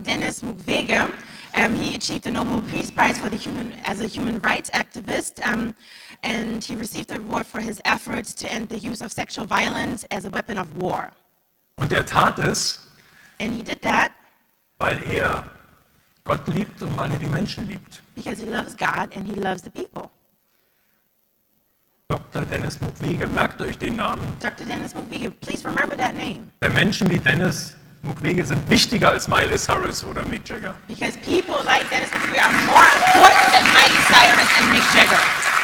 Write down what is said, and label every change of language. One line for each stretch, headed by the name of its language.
English: Dennis Mukwege, he achieved the Nobel Peace Prize for as a human rights activist, and he received the award for his efforts to end the use of sexual violence as a weapon of war.
German: Und er tat es,
English: and he did that,
German: weil er Gott liebt und weil er die Menschen liebt.
English: Because he loves God and he loves the people.
German: Dr. Dennis Mukwege, merkt euch den Namen.
English: Dr. Dennis Mukwege, please remember that name.
German: Der Menschen wie Dennis Mukwege sind wichtiger als Miley Cyrus oder Mick Jagger.
English: Because people like Dennis Mukwege are more important than Miley Cyrus and Mick Jagger.